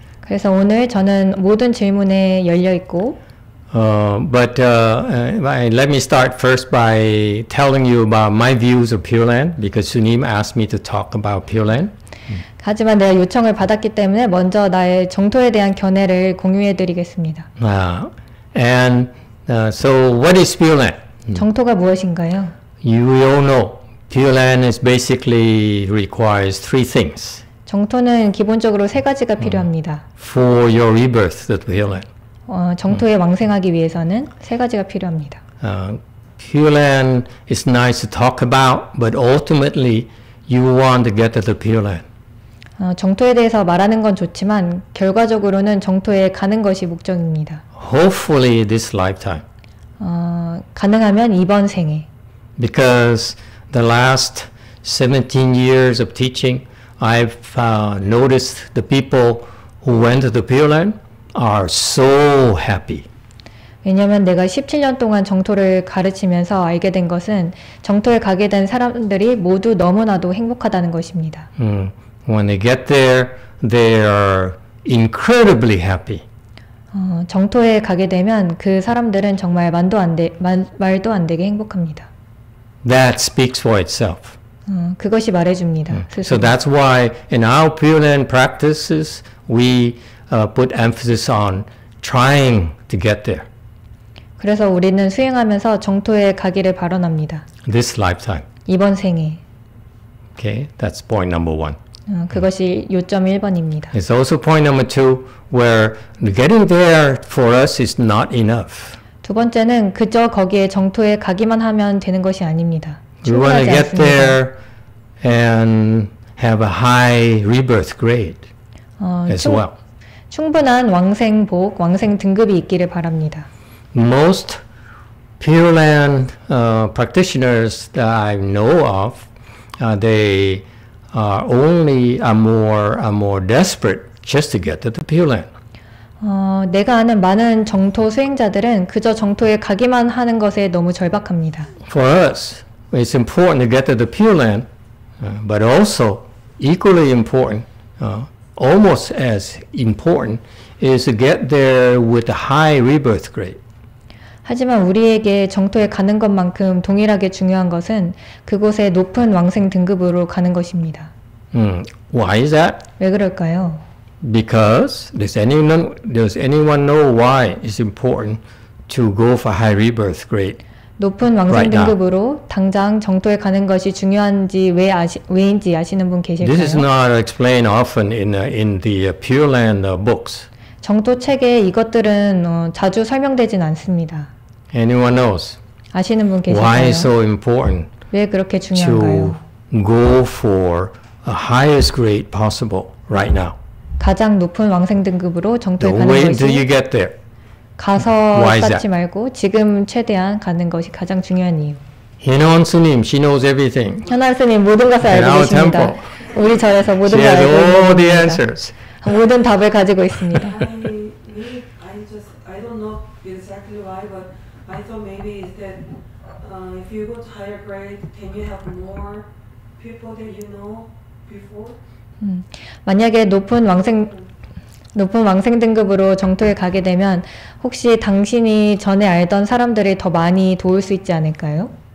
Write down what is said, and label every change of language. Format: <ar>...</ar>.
<ko>그래서 오늘 저는 모든 질문에 열려 있고.</ko> <en>Let me start first by telling you about my views of Pure Land because Sunim asked me to talk about Pure Land.</en> <ko>하지만 내가 요청을 받았기 때문에 먼저 나의 정토에 대한 견해를 공유해 드리겠습니다.</ko> <en>So what is Pure Land?</en> <ko>정토가 무엇인가요?</ko> <en>You all know Pure Land is basically requires three things.</en> <ko>정토는 기본적으로 세 가지가 필요합니다.</ko> <en>For your rebirth, the Pure Land.</en> <ko>정토에 왕생하기 위해서는 세 가지가 필요합니다.</ko> <en>Pure Land is nice to talk about, but ultimately you want to get to the Pure Land.</en> <ko>정토에 대해서 말하는 건 좋지만 결과적으로는 정토에 가는 것이 목적입니다.</ko> <en>Hopefully this lifetime.</en> <ko>가능하면 이번 생에.</ko> <en>Because the last 17 years of teaching, I've noticed the people who went to the Pure Land are so happy.</en> <ko>왜냐하면 내가 17년 동안 정토를 가르치면서 알게 된 것은 정토에 가게 된 사람들이 모두 너무나도 행복하다는 것입니다.</ko> <en>When they get there, they are incredibly happy.</en> <ko>정토에 가게 되면 그 사람들은 정말 말도 안 되게 행복합니다.</ko> <en>That speaks for itself.</en> <ko>그것이 말해줍니다.</ko> <en>So that's why in our Pure Land practices, we put emphasis on trying to get there.</en> <ko>그래서 우리는 수행하면서 정토에 가기를 발언합니다.</ko> <en>This lifetime.</en> <ko>이번 생에.</ko> <en>Okay, that's point number one.</en> <ko>그것이 요점 1번입니다.</ko> <en>It's also point number two, where getting there for us is not enough.</en> <ko>두 번째는 그저 거기에 정토에 가기만 하면 되는 것이 아닙니다.</ko> <en>We want to get there and have a high rebirth grade as well.</en> <ko>충분한 왕생복, 왕생 등급이 있기를 바랍니다.</ko> <en>Most Pure Land practitioners that I know of, they are only are more desperate just to get to the Pure Land.</en> <ko>내가 아는 많은 정토 수행자들은 그저 정토에 가기만 하는 것에 너무 절박합니다.</ko> <en>For us, it's important to get to the Pure Land, but also equally important, almost as important, is to get there with a high rebirth grade.</en> <ko>하지만 우리에게 정토에 가는 것만큼 동일하게 중요한 것은 그곳에 높은 왕생 등급으로 가는 것입니다.</ko> <en>Why is that?</en> <ko>왜 그럴까요?</ko> <en>Because does anyone know why it's important to go for high rebirth grade?</en> <ko>높은 왕생 등급으로 당장 정토에 가는 것이 중요한지 왜인지 아시는 분 계실까요?</ko> <en>This is not explained often in the Pure Land books.</en> <ko>정토 책에 이것들은 자주 설명되진 않습니다.</ko> <en>Anyone knows?</en> <ko>아시는 분 계실까요?</ko> <en>Why is so important?</en> <ko>왜 그렇게 중요한가요?</ko> <en>To go for a highest grade possible right now.</en> <ko>가장 높은 왕생 등급으로 정토에 가는 것이</ko> <en>Wait till you get there.</en> <ko>가서 쌓지 말고 지금 최대한 가는 것이 가장 중요한 이유.</ko> <en>현원 스님, she knows everything.</en> <ko>현원 스님 모든 것을 알고 계십니다.</ko> <en>Temple.</en> <ko>우리 절에서 모든 걸 알고 있습니다.</ko> <en>She has all the answers.</en> <ko>모든 답을 가지고 있습니다.</ko> <en>I don't know exactly why, but I thought maybe is that if you go to higher grade, can you have more people that you know before?</en> <ko>만약에 높은 왕생 등급으로 정토에 가게 되면 혹시 당신이 전에 알던 사람들을 더 많이 도울 수 있지 않을까요?</ko>